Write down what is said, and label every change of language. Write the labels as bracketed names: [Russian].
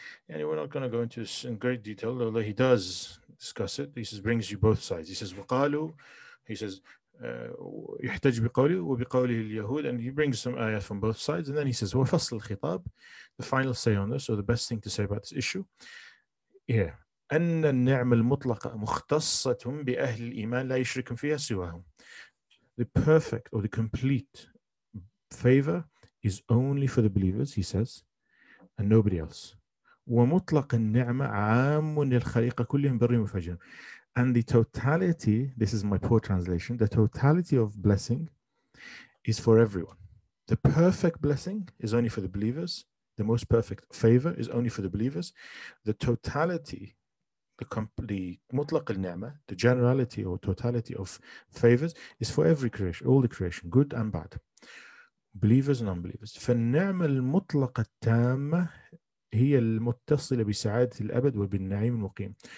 [English] Anyway, we're not going to go into this in great detail, although he does discuss it. He says, brings you both sides. He says, وقالوا, he says, [Arabic] يحتج بقولي وبقولي اليهود, [English] and he brings some ayat from both sides. And then he says, [Arabic] وفصل الخطاب, [English] the final say on this, or the best thing to say about this issue. Yeah. [Arabic] أن النعم المطلقة مختصة بأهل الإيمان لا يشركهم فيها سواهم. [English] The perfect or the complete favor is only for the believers, he says, and nobody else. [Arabic] ومطلق النعمة عام للخليقة كلهم برهم وفجر. [English] And the totality, this is my poor translation, the totality of blessing is for everyone. The perfect blessing is only for the believers. The most perfect favor is only for the believers. The totality, the mutlaq al-ni'mah, the generality or totality of favors is for every creation, all the creation, good and bad, believers and unbelievers. [Arabic] فالنعمة المطلقة التامة هي المتصلة بسعادة الأبد وبالنعيم المقيم.